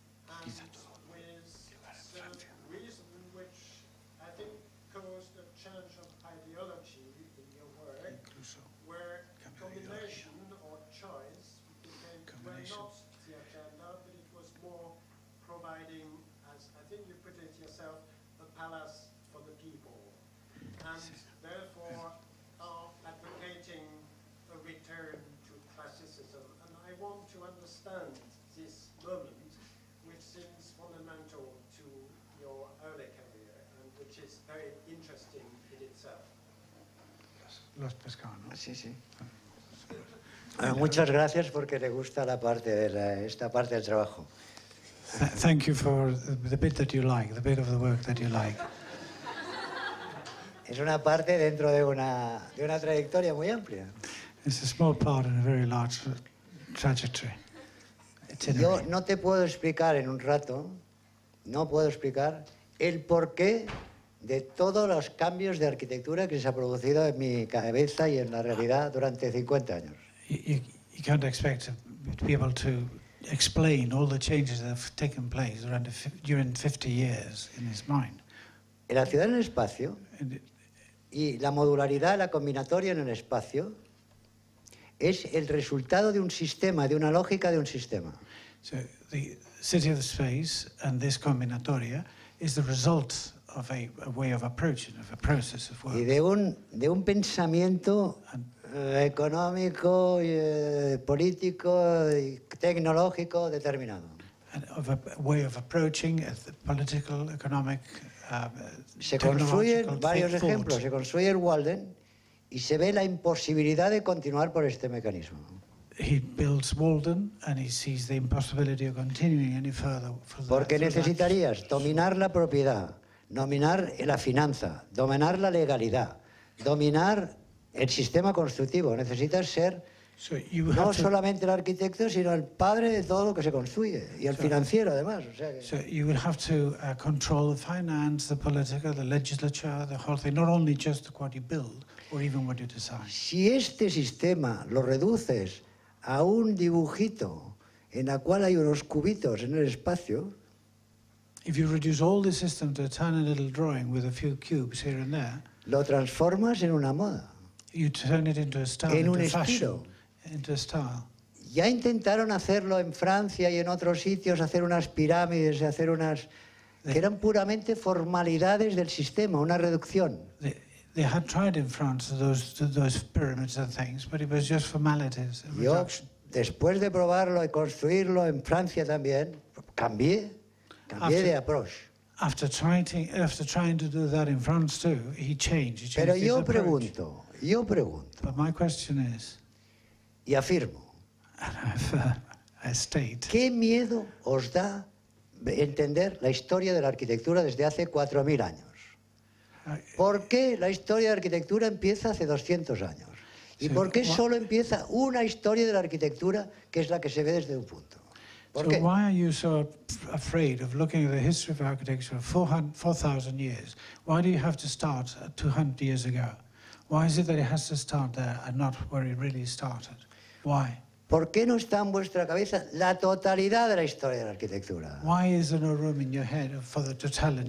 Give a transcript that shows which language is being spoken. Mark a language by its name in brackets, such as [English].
[English] and with some reason which I think caused a change of ideology in your work, where combination or choice became not the agenda, but it was more providing, as I think you put it yourself, the palace for the people, and therefore advocating a return to classicism. I want to understand this moment, which seems fundamental to your early career and which is very interesting in itself. [Spanish] Los pescados. Sí, sí. Muchas gracias porque le gusta la parte de esta parte del trabajo. [English] Thank you for the bit that you like, the bit of the work that you like. [Spanish] Es una parte dentro de una trayectoria muy amplia. [English] It's a small part in a very large trajectory. [Spanish] Yo no te puedo explicar en un rato, no puedo explicar el porqué de todos los cambios de arquitectura que se ha producido en mi cabeza y en la realidad durante 50 años. [English] You can't expect to be able to explain all the changes that have taken place during 50 years in his mind. [Spanish] En la ciudad en el espacio y la modularidad, la combinatoria en el espacio es el resultado de un sistema, de una lógica de un sistema. [English] So the city of the space and this combinatoria is the result of a way of approaching, of a process of work. [Spanish] Y de un pensamiento económico, político, tecnológico determinado. [English] And of a way of approaching a political, economic, [Spanish] se construyen varios ejemplos. Se construye el Walden y se ve la imposibilidad de continuar por este mecanismo. [English] He builds Walden and he sees the impossibility of continuing any further. [Spanish] Porque necesitarías dominar la propiedad, dominar la finanza, dominar la legalidad, dominar el sistema constructivo. Necesitas ser no solamente el arquitecto, sino el padre de todo lo que se construye y el financiero además. O sea que... [English] So you would have to control the finance, the political, the legislature, the whole thing, not only just what you build or even what you design. [Spanish] Si este sistema lo reduces a un dibujito en la cual hay unos cubitos en el espacio. [English] If you reduce all the system to a tiny little drawing with a few cubes here and there, [Spanish] lo transformas en una moda. [English] You turn it into a style, [Spanish] en [English] into [Spanish] un [English] a fashion, [Spanish] estilo. [English] Into a style. [Spanish] Ya intentaron hacerlo en Francia y en otros sitios, hacer unas pirámides, hacer unas que eran puramente formalidades del sistema, una reducción. [English] They had tried in France those pyramids and things, but it was just formalities. [Spanish] Yo, después de probarlo y construirlo en Francia también, cambié de approach. [English] After trying to do that in France too, he changed. [Spanish] Pero yo pregunto, yo pregunto. [English] But my question is, [Spanish] y afirmo, [English] and I state, [Spanish] ¿qué miedo os da entender la historia de la arquitectura desde hace 4.000 años? ¿Por qué la historia de arquitectura empieza hace 200 años? ¿Y por qué solo empieza una historia de la arquitectura que es la que se ve desde un punto? ¿Por qué? [English] So why are you so afraid of looking at the history of architecture 4,000 years? Why do you have to start 200 years ago? Why is it that it has to start there and not where it really started? Why? [Spanish] ¿Por qué no está en vuestra cabeza la totalidad de la historia de la arquitectura? [English] Why is there no room in your head for the totality?